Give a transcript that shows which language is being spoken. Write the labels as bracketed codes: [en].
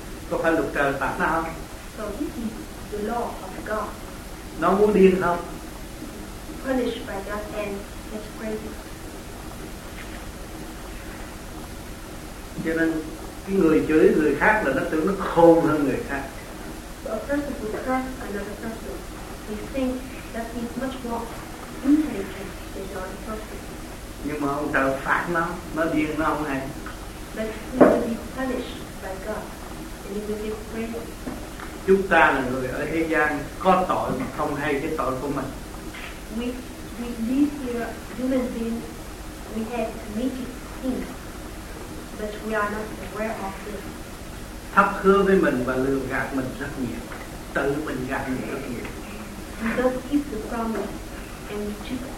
[vi] Có phải luật trời phạt nó không? [en] So this is the law of God. [vi] Nó muốn điên không? [en] Punished by God and gets crazy. [vi] Cho nên cái người chửi người khác là nó tưởng nó khôn hơn người khác. [en] A person who curses another person, he thinks that he's much more intelligent than the other person. [vi] Nhưng mà ông trời phạt nó điên nó không hay. [en] But he will be punished by God, and he will be crazy. [vi] Chúng ta là người ở thế gian có tội mà không hay cái tội của mình. [en] We live here, human beings, we have committed sins. But we are not aware of this. [vi] Thấp hứa với mình và lừa gạt mình rất nhiều, tự mình gạt mình rất nhiều. [en] We don't keep the promise and we cheat ourselves.